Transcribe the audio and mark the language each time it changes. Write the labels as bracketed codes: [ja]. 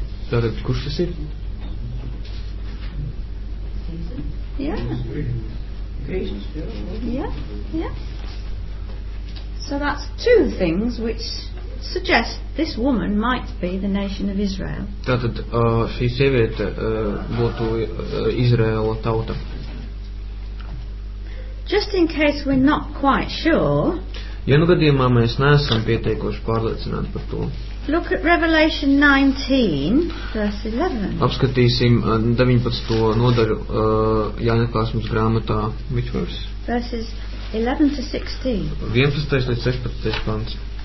[lv] Tātad, kurš tas ir? [en] Yeah. So that's two things which suggest this woman might be the nation of Israel. [lv] Tātad, šī sieviete būtu Izraela tauta. [en] Just in case we're not quite sure. [lv] Ja nu gadījumā mēs neesam pieteikoši pārliecināti par to. [en] Look at Revelation 19, verse 11. [lv] Apskatīsim 19. Nodaļu Jāņa Klāsmas grāmatā, [en] which verse? Verses 11 to 16. [lv] 11. Līdz 16. Pants.